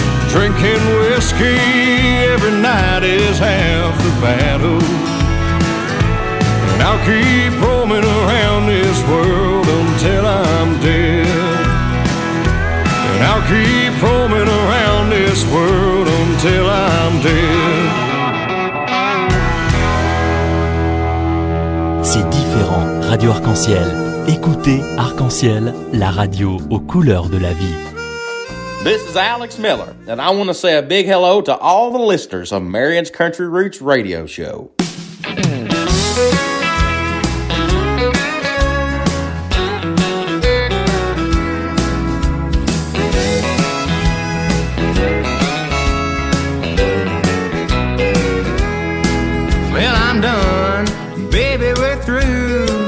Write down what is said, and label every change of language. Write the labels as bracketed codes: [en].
[en] Drinking whiskey every night is half the battle, and I'll keep roaming around this world until I'm dead. And I'll keep roaming around this world until I'm dead. [fr] C'est différent, Radio Arc-en-Ciel. Écoutez Arc-en-Ciel, la radio aux couleurs de la vie. [en] This is Alex Miller, and I want to say a big hello to all the listeners of Marion's Country Roots Radio Show. Well, I'm done, baby, we're through.